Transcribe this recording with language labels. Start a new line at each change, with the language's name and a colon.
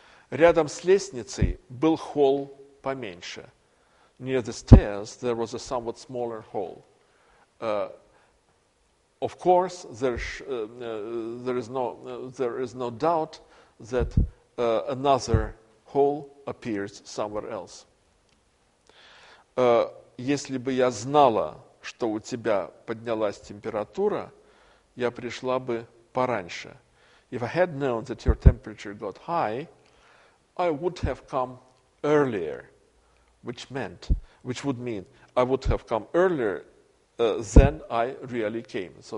Russian: Рядом с лестницей был холл поменьше.
English: Near the stairs there was a somewhat smaller hall. Of course, there is no doubt that another hole appears somewhere else.
Russian: Если бы я знала, что у тебя поднялась температура, я пришла бы пораньше.
English: If I had known that your temperature got high, I would have come earlier, which would mean I would have come earlier than I really came.